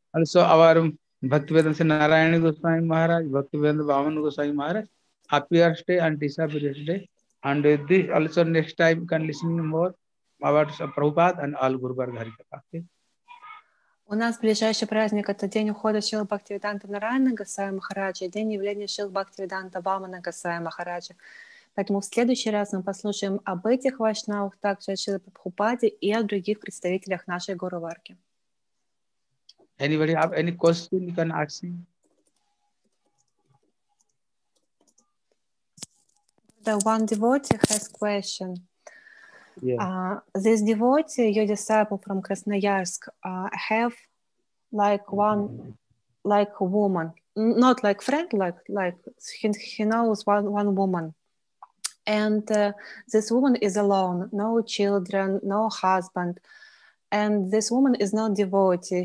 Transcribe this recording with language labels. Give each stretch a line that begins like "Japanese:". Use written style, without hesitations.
English: Also, our Bhaktivedanta Narayana Goswami Maharaj, Bhaktivedanta Bhavan Goswami Maharaj, appear today and disappear today. And this also next time, you can listen more about Prabhupada and all Guru Bhargarika.
Russian: У нас ближайший праздник – это день ухода Шрилы Бхактивиданта Нараяны Госвами Махараджа, день явления Шрилы Бхактивиданта Вамана Госвами Махараджа. Поэтому в следующий раз мы послушаем об этих вайшнавах, также о Шриле Прабхупаде и о других представителях нашей Гуруварки.
English: Anybody have any question you can ask me? The one devotee has a question. Yeah. This devotee, your disciple from Krasnoyarsk, have like woman, not like friend, like he knows one woman, and this woman is alone, no children, no husband, and this woman is not devotee.